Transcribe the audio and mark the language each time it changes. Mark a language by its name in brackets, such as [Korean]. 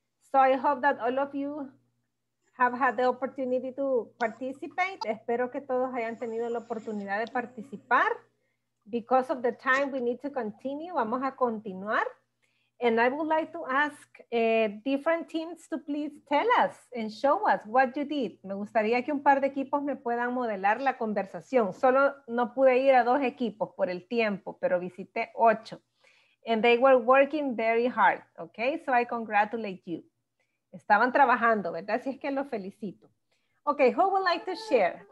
[English] So I hope that all of you have had the opportunity to participate. [Spanish] Espero que todos hayan tenido la oportunidad de participar. [English] Because of the time, we need to continue. [Spanish] Vamos a continuar. [English] And I would like to ask different teams to please tell us and show us what you did. [Spanish] Me gustaría que un par de equipos me puedan modelar la conversación. Solo no pude ir a dos equipos por el tiempo, pero visité 8. [English] And they were working very hard, okay? So I congratulate you. [Spanish] Estaban trabajando, ¿verdad? Así es que los felicito. [English] Okay, who would like to share?